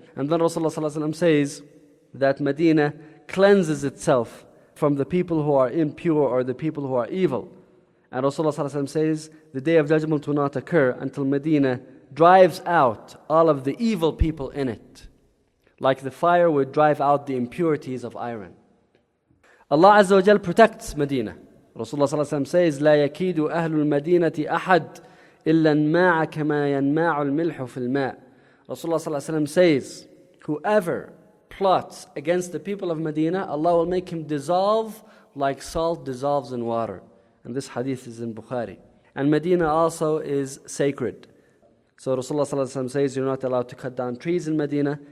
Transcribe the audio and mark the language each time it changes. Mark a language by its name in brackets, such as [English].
[English] And then Rasulullah sallallahu alayhi wa sallam says that Medina cleanses itself from the people who are impure or the people who are evil. And Rasulullah ﷺ says, the Day of Judgment will not occur until Medina drives out all of the evil people in it, like the fire would drive out the impurities of iron. Allah Azza wa Jal protects Medina. [Arabic] Rasulullah ﷺ says, لا يكيد أهل المدينة أحد إلا انماع كما ينماع الملح في الماء. [English] Rasulullah ﷺ says, whoever plots against the people of Medina, Allah will make him dissolve like salt dissolves in water. And this hadith is in Bukhari. And Medina also is sacred. So Rasulullah sallallahu alayhi wa sallam says, you're not allowed to cut down trees in Medina.